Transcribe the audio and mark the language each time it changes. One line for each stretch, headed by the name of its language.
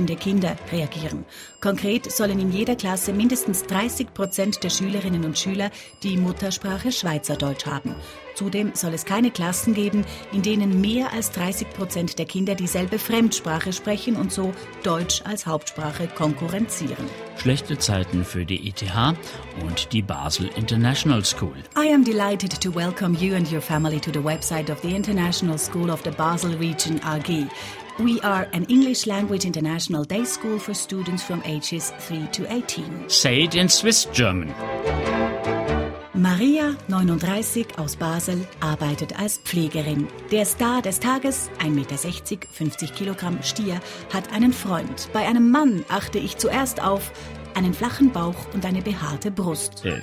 German: Kinder reagieren. Konkret sollen in jeder Klasse mindestens 30% der Schülerinnen und Schüler die Muttersprache Schweizerdeutsch haben. Zudem soll es keine Klassen geben, in denen mehr als 30% der Kinder dieselbe Fremdsprache sprechen und so Deutsch als Hauptsprache konkurrenzieren. Schlechte Zeiten für die ETH und die Basel International School.
English: I am delighted to welcome you and your family to the website of the International School of the Basel Region AG. We are an English language international day school for students from ages 3 to 18. Say it in Swiss German.
German: Maria, 39, aus Basel, arbeitet als Pflegerin. Der Star des Tages, 1,60 Meter, 50 Kilogramm Stier, hat einen Freund. Bei einem Mann achte ich zuerst auf einen flachen Bauch und eine behaarte Brust.